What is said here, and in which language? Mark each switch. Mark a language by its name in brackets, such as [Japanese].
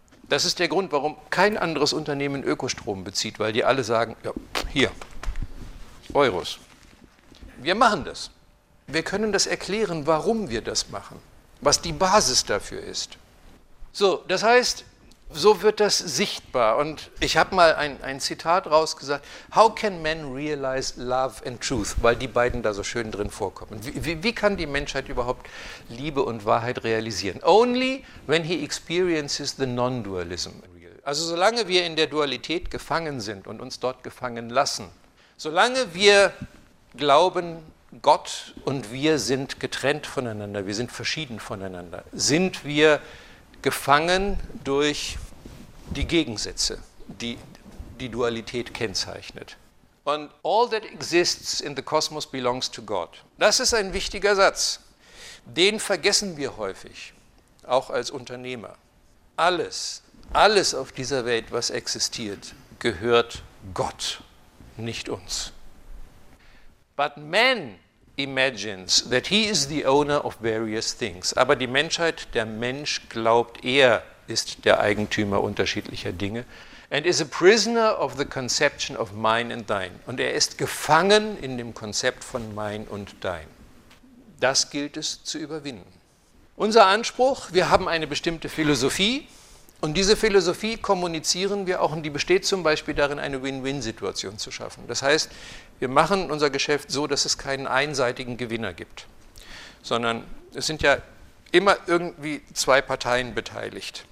[German] Das ist der Grund, warum kein anderes Unternehmen Ökostrom bezieht, weil die alle sagen, ja, hier, Euros. Wir machen das. Wir können das erklären, warum wir das machen, was die Basis dafür ist. So, das heißt, so wird das sichtbar. Und ich habe mal ein Zitat rausgesagt. [English] How can men realize love and truth? [German] Weil die beiden da so schön drin vorkommen. Wie kann die Menschheit überhaupt Liebe und Wahrheit realisieren? [English] Only when he experiences the non-dualism. [German] Also solange wir in der Dualität gefangen sind und uns dort gefangen lassen, Solange wir glauben, Gott und wir sind getrennt voneinander, wir sind verschieden voneinander, sind wir gefangen durch die Gegensätze, die die Dualität kennzeichnet. [English] Und all that exists in the cosmos belongs to God. [German] Das ist ein wichtiger Satz. Den vergessen wir häufig, auch als Unternehmer. Alles, alles auf dieser Welt, was existiert, gehört Gott, nicht uns. [English] But man imagines that he is the owner of various things. [German] Aber die Menschheit, der Mensch, glaubt, er ist der Eigentümer unterschiedlicher Dinge. [English] And is a prisoner of the conception of mine and thine. [German] Und er ist gefangen in dem Konzept von mein und dein. Das gilt es zu überwinden. Unser Anspruch, wir haben eine bestimmte Philosophie und diese Philosophie kommunizieren wir auch und die besteht zum Beispiel darin, eine Win-Win-Situation zu schaffen. Das heißt, wir machen unser Geschäft so, dass es keinen einseitigen Gewinner gibt, sondern es sind ja immer irgendwie zwei Parteien beteiligt.